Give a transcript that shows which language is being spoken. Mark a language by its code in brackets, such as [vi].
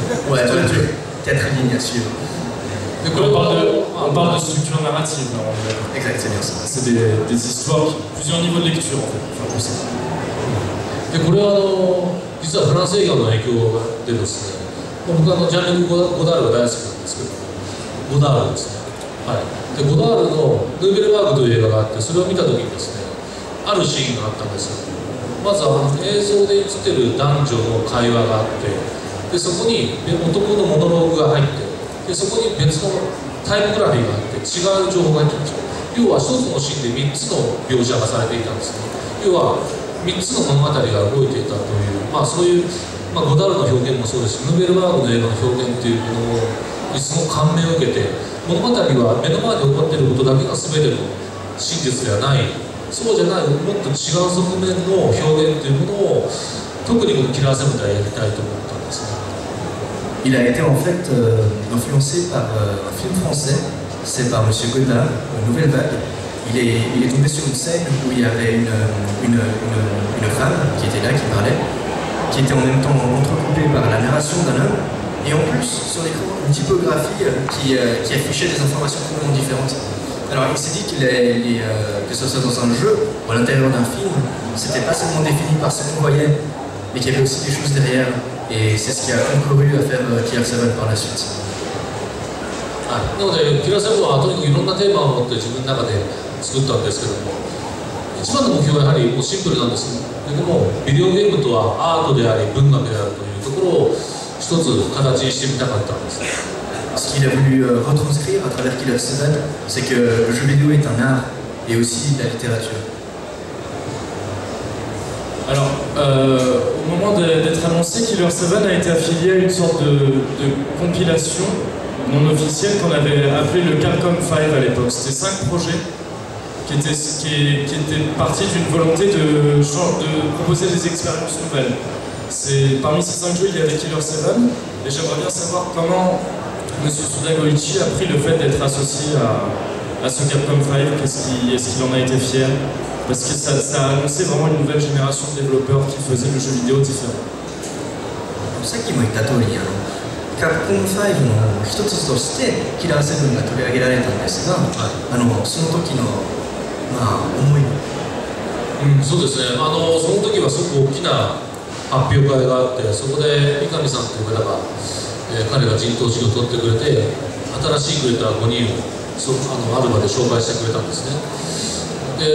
[fr] Ouais, c'est deux, quatre lignes à suivre. Donc on parle de structure narrative, en fait. Exact, c'est bien ça. C'est des histoires, plusieurs niveaux de lecture, en fait. Enfin, on sait. [ja] で、これは実はフランス映画の影響でですね、僕はジャンル・ゴダールが大好きなんですけど、ゴダールですね、はい、でゴダールのヌーベルバーグという映画があって、それを見た時にですね、あるシーンがあったんですよ。まずは映像で映ってる男女の会話があって、でそこに男のモノローグが入って、でそこに別のタイムグラフィーがあって違う情報が入ってるんですよ。要は一つのシーンで3つの描写がされていたんですね。要は3つの物語が動いていたという、まあそういう、まあ、ゴダールの表現もそうですし、ヌーベルバーグの映画の表現というものをいつも感銘を受けて、物語は目の前で起こっていることだけが全ての真実ではない、そうじゃない、もっと違う側面の表現というものを特にこのキラーセブンではやりたいと思ったんです。 [fr] Il a été en fait influencé par un film français, c'est par Monsieur Godard, Nouvelle Vague. Il est tombé sur une scène où il y avait une femme qui était là, qui parlait, qui était en même temps entrecoupée par la narration d'un homme, et en plus sur l'écran une typographie qui affichait des informations complètement différentes. Alors il s'est dit que que ce soit dans un jeu ou à l'intérieur d'un film, c'était pas seulement défini par ce qu'on voyait, mais qu'il y avait aussi des choses derrière, et c'est ce qui a concouru à faire Kier Seven par la suite. [ja] なので、キラセブンはとにかくいろんなテーマを持って自分の中で作ったんですけども、一番の目標はやはりもうシンプルなんですけど、でもビデオゲームとはアートであり文学であるというところを一つ形にしてみたかったんです。 [fr] ce qu'il a voulu retranscrire à travers Kira Seven, c'est que le jeu vidéo est un art et aussi la littérature. Alors, au moment d'être annoncé, Kira Seven a été affilié à une sorte de compilation non officiel qu'on avait appelé le Capcom 5 à l'époque. C'était cinq projets qui étaient partis d'une volonté de proposer des expériences nouvelles. C'est, parmi ces cinq jeux, il y avait Killer 7, et j'aimerais bien savoir comment M. Suda Goichi a pris le fait d'être associé à ce Capcom 5. Est-ce qu'il en a été fier? Parce que ça a annoncé vraiment une nouvelle génération de développeurs qui faisaient le jeu vidéo différent. C'est ça qui m'a été attendu. [ja] キャプコン5の一つとしてキラーセブンが取り上げられたんですが、はい、その時の、まあ、思い、うん、そうですね、その時はすごく大きな発表会があって、そこで三上さんという方が、彼が陣頭指揮を取ってくれて、新しいクリエイター5人をある場で紹介してくれたんですね。